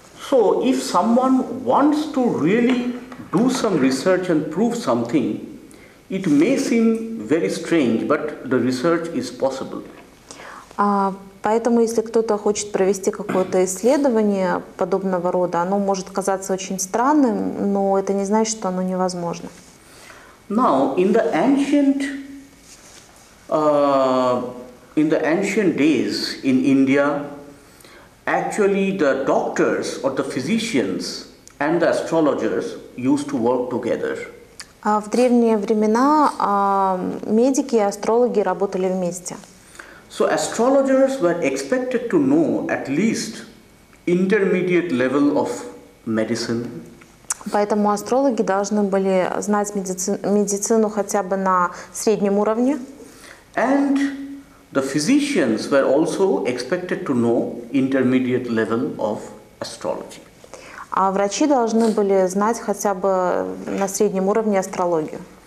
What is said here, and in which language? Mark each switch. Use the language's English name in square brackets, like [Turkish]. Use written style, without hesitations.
[English] So, if someone wants to really do some research and prove something, it may seem very strange, but the research is possible. [Russian] Поэтому, если кто-то хочет провести какое-то исследование подобного рода, оно может казаться очень странным, но это не значит, что оно невозможно. [English] Now, in the ancient days in India, actually the doctors or the physicians and the astrologers used to work together. [Russian] В древние времена медики и астрологи работали вместе. [English] So astrologers were expected to know at least intermediate level of medicine. [Russian] Поэтому астрологи должны были знать медицину хотя бы на среднем уровне. [English] And the physicians were also expected to know intermediate level of astrology. [Russian] А врачи должны были знать хотя бы на среднем уровне астрологию.